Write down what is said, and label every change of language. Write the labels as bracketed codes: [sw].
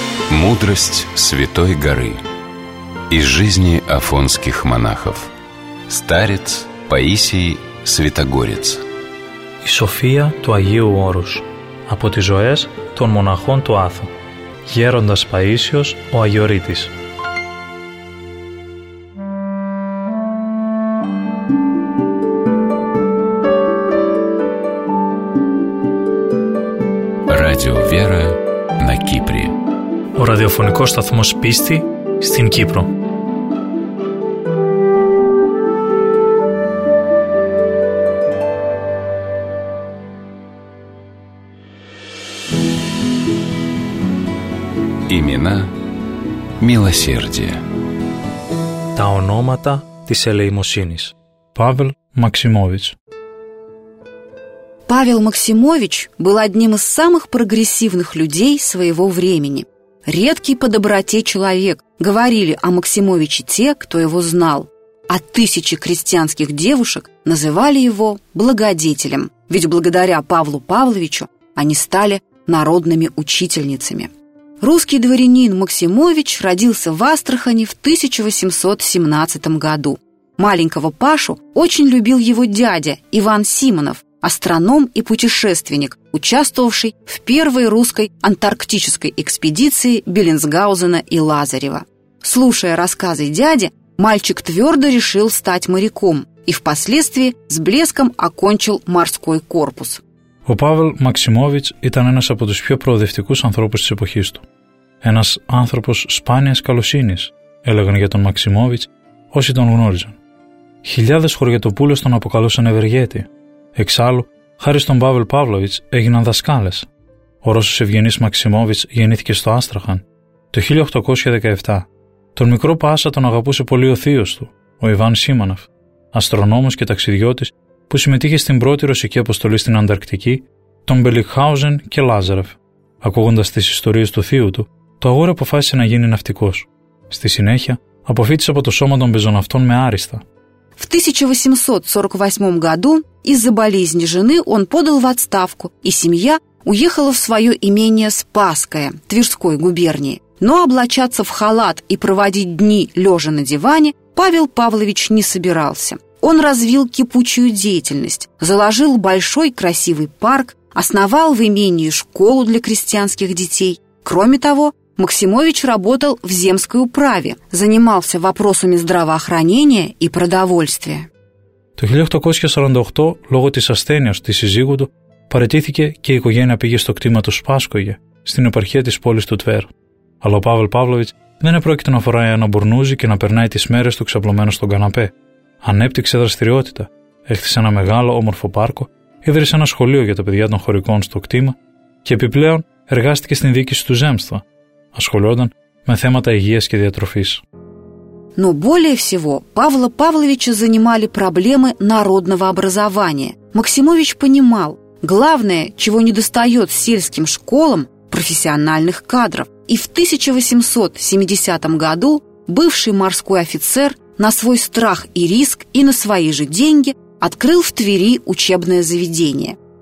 [ru] Μούδραστ Святой Горы. Η жизни Афонских монахов. Старец Παΐσιοι Святогорец. [el] Η σοφία του Αγίου Όρους. Από τις ζωές των μοναχών του Άθου. Γέροντας Παΐσιος ο Αγιορείτης. [ru] Radio Vera на Кύπρη. [el] Ο ραδιοφωνικός σταθμός πίστη στην Κύπρο. [ru] Имена милосердия. [el] Τα ονόματα της ελεημοσύνης. [ru] Павел Максимович. Павел Максимович был одним из самых прогрессивных людей своего времени. Редкий по доброте человек. Говорили о Максимовиче те, кто его знал. А тысячи крестьянских девушек называли его благодетелем. Ведь благодаря Павлу Павловичу они стали народными учительницами. Русский дворянин Максимович родился в Астрахани в 1817 году. Маленького Пашу очень любил его дядя Иван Симонов, астроном и путешественник, участвовавший в первой русской антарктической экспедиции Беллинсгаузена и Лазарева. Слушая рассказы дяди, мальчик твердо решил стать моряком и впоследствии с блеском окончил морской корпус. [el] Ο Павел Максимович ήταν ένας από τους πιο προοδευτικούς ανθρώπους της εποχής του. Ένας άνθρωπος σπάνιας καλοσύνης, έλεγαν για τον Μαξιμόβιτς όσοι τον γνώριζαν. Χιλιάδες χωριατοπούλες τον αποκαλούσαν ευεργέτη. Εξάλλου, χάρη στον Παύλ Παύλοβιτς έγιναν δασκάλες. Ο Ρώσος ευγενής Μαξιμόβιτς γεννήθηκε στο Άστραχαν. το 1817. Τον μικρό Πάσα τον αγαπούσε πολύ ο θείος του, ο Ιβάν Σίμανοφ, αστρονόμος και ταξιδιώτης που συμμετείχε στην πρώτη ρωσική αποστολή στην Ανταρκτική, τον Μπελιχάουζεν και Λάζαρεφ. Ακούγοντας τις ιστορίες του θείου του, το αγόρι αποφάσισε να γίνει ναυτικός. Στη συνέχεια, αποφύτησε από το σώμα των πεζοναυτών με άριστα. [ru] В 1848 году из-за болезни жены он подал в отставку, и семья уехала в свое имение Спасское, Тверской губернии. Но облачаться в халат и проводить дни лежа на диване Павел Павлович не собирался. Он развил кипучую деятельность, заложил большой красивый парк, основал в имении школу для крестьянских детей. Кроме того, Максимович работал в земской управе, занимался вопросами здравоохранения и продовольствия. [el] Το 1848, λόγω της ασθένειας της συζύγου του, παραιτήθηκε και η οικογένεια πήγε στο κτήμα του Σπάσκογε, στην επαρχία της πόλης του Τβέρ. Αλλά ο Παύλ Παύλοβιτς δεν επρόκειτο να φοράει ένα μπουρνούζι και να περνάει τις μέρες του ξαπλωμένο στον καναπέ. Ανέπτυξε δραστηριότητα, έχτισε ένα μεγάλο όμορφο πάρκο, ίδρυσε ένα σχολείο για τα παιδιά των χωρικών στο κτήμα και επιπλέον εργάστηκε στην διοίκηση του Ζέμστα, ασχολιόταν με θέματα υγείας και διατροφής. [ru] Но более всего Павла Павловича занимали проблемы народного образования. Максимович понимал, главное, чего недостает сельским школам, профессиональных кадров. И в 1870 году бывший морской офицер на свой страх и риск и на свои же деньги открыл в Твери учебное заведение.